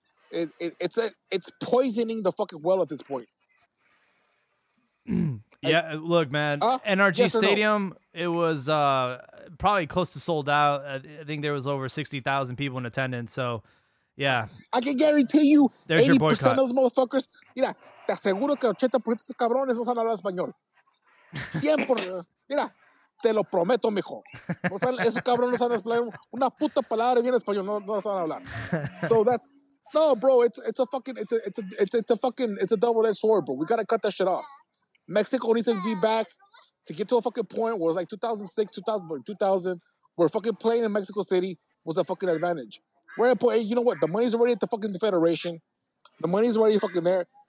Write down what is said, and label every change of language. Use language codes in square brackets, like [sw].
[en] It's poisoning the fucking well at this point. Yeah, look, man. NRG yes Stadium, it was probably close to sold out. I think there was over 60,000 people in attendance. So, yeah. I can guarantee you, there's 80% of those motherfuckers. [es] Mira, te aseguro que 80% de esos cabrones no saben hablar español. Siempre, mira, te lo prometo, mijo. O sea, esos cabrones no saben hablar una puta palabra bien español, no saben hablar. [en] So that's no, bro. It's a double-edged sword, bro. We gotta cut that shit off. Mexico needs to be back to get to a fucking point where it was like 2000, where fucking playing in Mexico City was a fucking advantage. We're at a point. You know what? The money's already at the fucking Federation. The money's already fucking there.